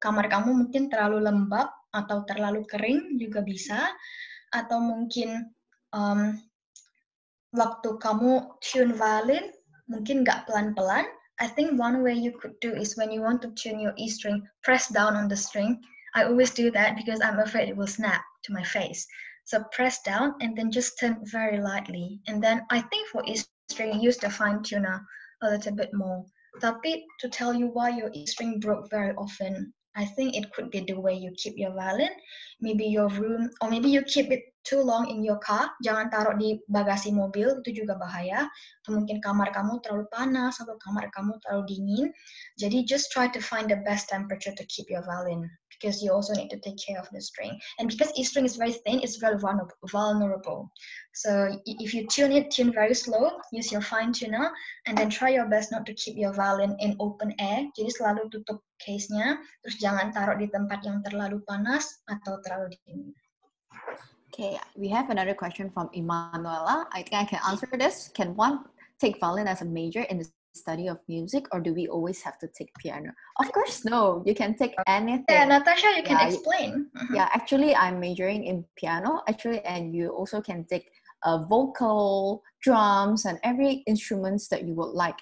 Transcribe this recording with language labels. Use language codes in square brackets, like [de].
[id] Kamar kamu mungkin terlalu lembab. Atau terlalu kering juga bisa, atau mungkin waktu kamu tune violin mungkin nggak pelan-pelan. [en] I think one way you could do is when you want to tune your E string, press down on the string. I always do that because I'm afraid it will snap to my face. So press down and then just turn very lightly. And then I think for E string, use the fine tuner a little bit more. [id] Tapi [en] to tell you why your E string broke very often, I think it could be the way you keep your violin, maybe your room, or maybe you keep it too long in your car. [id] Jangan taruh di bagasi mobil, itu juga bahaya. Atau mungkin kamar kamu terlalu panas atau kamar kamu terlalu dingin. Jadi [en] just try to find the best temperature to keep your violin, because you also need to take care of the string. And because E string is very thin, it's very vulnerable. So if you tune it, tune very slow, use your fine tuner, and then try your best not to keep your violin in open air. [id] Jadi selalu tutup case-nya, terus jangan taruh di tempat yang terlalu panas atau terlalu dingin. [en] Okay, we have another question from Emanuela. I think I can answer this. Can one take violin as a major in the study of music, or do we always have to take piano? Of course, no. You can take anything. Yeah, Natasha, you can explain. Yeah, actually, I'm majoring in piano, actually, and you also can take vocal, drums, and every instruments that you would like.